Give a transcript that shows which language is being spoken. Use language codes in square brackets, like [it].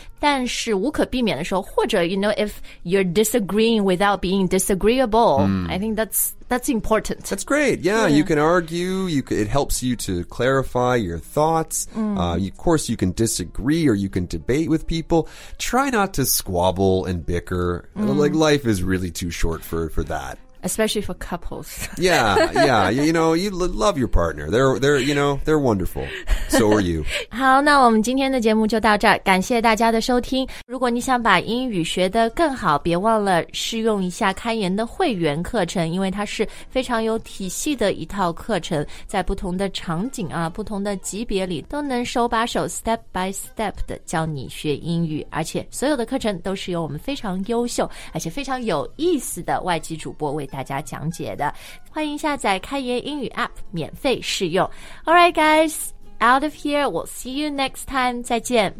[zh] 但是无可避免的时候，或者 [en] you know, if you're disagreeing without being disagreeable,、I think that's important. That's great. Yeah, you can argue. You can, it helps you to clarify your thoughts.、Of course, you can disagree or you can debate with people. Try not to squabble and bicker.、Like, life is really too short for that. Especially for couples. Yeah, yeah. You know, you love your partner. They're, you know, they're wonderful. So are you. [zh] 好，那我们今天的节目就到这儿。感谢大家的收听。如果你想把英语学得更好，别忘了试用一下开言的会员课程，因为它是非常有体系的一套课程，在不同的场景啊，不同的级别里都能手把手 [en] step by step [zh] 的教你学英语。而且所有的课程都是由我们非常优秀而且非常有意思的外籍主播为大家讲解的，欢迎下载开言英语 APP 免费试用。 [en] Alright guys, out of here, we'll see you next time. [zh] 再见。